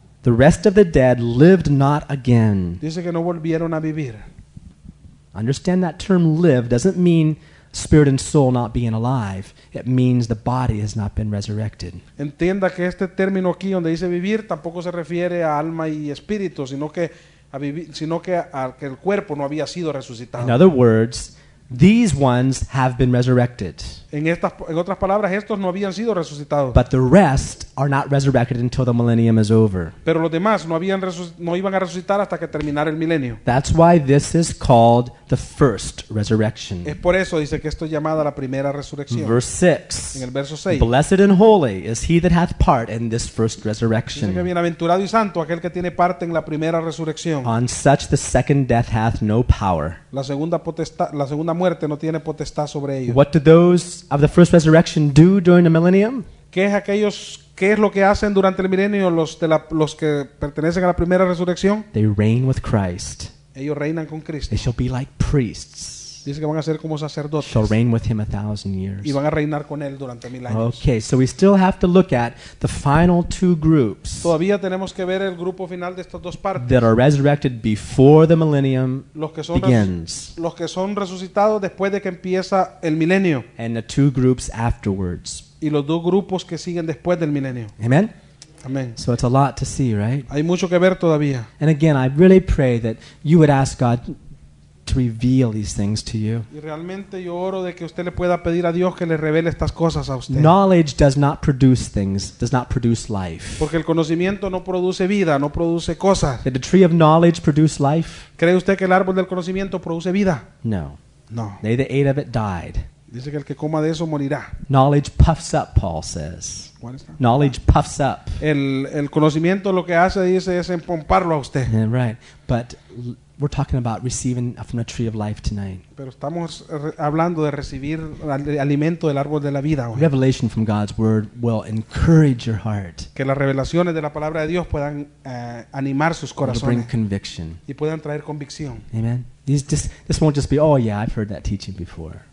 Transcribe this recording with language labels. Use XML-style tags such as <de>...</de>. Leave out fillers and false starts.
<en>The rest of the dead lived not again.</en> <es>Dice que no volvieron a vivir.</es> <en>Understand that term live doesn't mean spirit and soul not being alive. It means the body has not been resurrected.</en> <es>Entienda que este término aquí donde dice vivir tampoco se refiere a alma y espíritu, sino que sino que el cuerpo no había sido resucitado.</es> <en>In other words, these ones have been resurrected.</en> <es>En otras palabras, estos no habían sido resucitados.</es> <en>But the rest are not resurrected until the millennium is over.</en> <es>Pero los demás no iban a resucitar hasta que terminara el milenio.</es> <en>That's why this is called the first resurrection.</en> <es>Es por eso dice que esto es llamada la primera resurrección.</es> <en>Verse 6.</en> <es>En el verso 6.</es> <en>Blessed and holy is he that hath part in this first resurrection.</en> <es>Dice que bienaventurado y santo aquel que tiene parte en la primera resurrección.</es> <en>On such the second death hath no power.</en> <es>La segunda muerte no tiene potestad sobre ellos.</es> <en>What do those of the first resurrection do during the millennium?</en> <es>¿Qué es lo que hacen durante el milenio los que pertenecen a la primera resurrección?</es> <en>They reign with Christ.</en> <es>Ellos reinan con Cristo.</es> <en>They shall be like priests.</en> <es>Dice que van a ser como sacerdotes.</es> <en>Shall reign with him 1,000 years.</en> <es>Y van a reinar con él durante 1,000 años.</es> <en>Okay, so we still have to look at the final two groups.</en> <es>Todavía tenemos que ver el grupo final de estas dos partes.</es> <en>That are resurrected before the millennium begins.</en> <es>Los que son resucitados después de que empieza el milenio.</es> <en>And the two groups afterwards.</en> <es>Y los dos grupos que siguen después del milenio.</es> <en>Amen.</en> <es>Amen.</es> <en>So it's a lot to see, right?</en> <es>Hay mucho que ver todavía.</es> <en>And again, I really pray that you would ask God to reveal these things to you.</en> <es>Y realmente yo oro de que usted le pueda pedir a Dios que le revele estas cosas a usted.</es> <en>Knowledge does not produce things, does not produce life.</en> <es>Porque el conocimiento no produce vida, no produce cosas.</es> <en>Did the tree of knowledge produce life?</en> <es>¿Cree usted que el árbol del conocimiento produce vida?</es> <en>No.</en> <es>No.</es> <en>They that ate of it died.</en> <es>Dice que el que coma de eso morirá.</es> <en>Knowledge puffs up, Paul says. Knowledge puffs up.</en> <es>El conocimiento lo que hace dice es empomparlo a usted.</es> <en>Yeah, right. But we're talking about receiving from the tree of life tonight.</en> <es>Pero estamos hablando de recibir alimento del árbol de la vida hoy.</es> <en>Revelation from God's word will encourage your heart.</en> <es>Que las revelaciones de la palabra de Dios puedan animar sus corazones.</es> <en>Bring conviction.</en> <es>Y puedan traer convicción.</es> <en>Amen. This won't just be, oh yeah, I've heard that teaching before.</en>